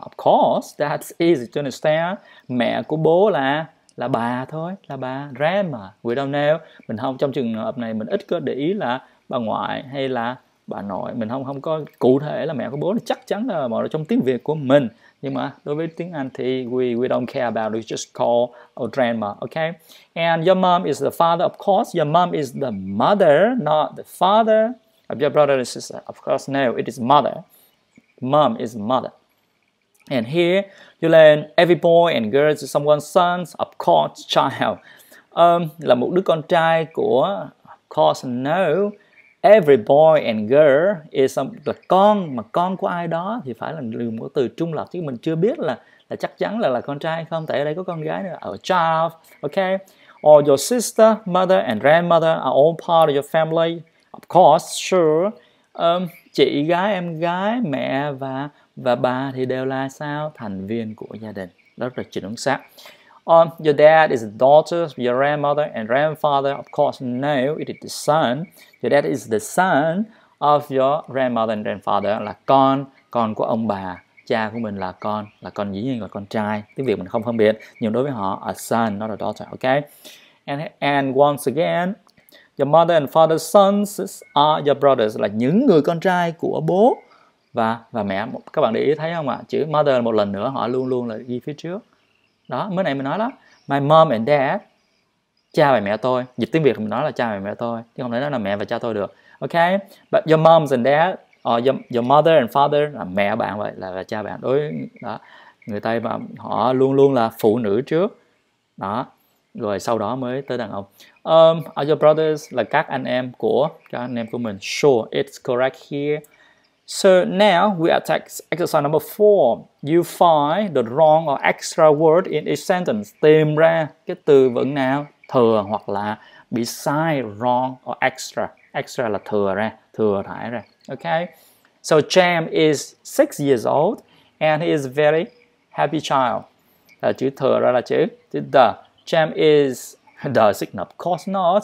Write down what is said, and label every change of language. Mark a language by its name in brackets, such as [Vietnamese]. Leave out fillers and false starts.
[English] Of course, that's easy to understand. [Vietnamese] Mẹ của bố là bà thôi, là bà, [English] grandma. We don't know. [Vietnamese] Mình không, trong trường hợp này mình ít có để ý là bà ngoại hay là bà nội. Mình không có cụ thể là mẹ của bố, chắc chắn là mọi người trong tiếng Việt của mình. Nhưng mà đối với tiếng Anh thì [English] we don't care about it. We just call a grandma, okay? And your mom is the father, of course. Your mom is the mother, not the father of your brother or sister. Of course, no, it is mother. Mom is mother. And here, you learn every boy and girl is someone's son, of course, child. [Vietnamese] Là một đứa con trai của, [English] of course, no. Every boy and girl is [Vietnamese] là con, mà con của ai đó thì phải là dùng một từ trung lập, chứ mình chưa biết là chắc chắn là con trai hay không, tại ở đây có con gái nữa. [English] A child, okay? Or your sister, mother and grandmother are all part of your family. Of course, sure. [Vietnamese] Chị gái, em gái, mẹ và bà thì đều là sao? Thành viên của gia đình. Đó là chuẩn xác. [English] Your dad is the daughter of your grandmother and grandfather. Of course, no, it is the son. Your dad is the son of your grandmother and grandfather. [Vietnamese] Là con của ông bà. Cha của mình là con dĩ nhiên là con trai. Tiếng Việt mình không phân biệt. Nhưng đối với họ, [English] a son, not a daughter. Okay? And once again, your mother and father's sons are your brothers. [Vietnamese] Là những người con trai của bố và mẹ. Các bạn để ý thấy không ạ? Chữ mother một lần nữa, họ luôn luôn là ghi phía trước. Đó, mới nãy mình nói đó. [English] My mom and dad, [Vietnamese] cha và mẹ tôi. Dịch tiếng Việt mình nói là cha và mẹ tôi, chứ không thể nói là mẹ và cha tôi được. [English] Okay? But your moms and dad, or your mother and father, [Vietnamese] là mẹ bạn vậy, là cha bạn. Đối đó, người Tây và họ luôn luôn là phụ nữ trước. Đó, rồi sau đó mới tới đàn ông. [English] Are your brothers, [Vietnamese] là các anh em của mình. [English] Sure, it's correct here. So now we attack exercise number 4. You find the wrong or extra word in each sentence. [Vietnamese] Tìm ra cái từ vựng nào thừa hoặc là bị sai, [English] wrong or extra. [Vietnamese] Extra là thừa thải ra. [English] Okay. So Jam is 6 years old and he is very happy child. [Vietnamese] Chữ thừa ra là chữ the. [English] Jam is the signal. Of course not.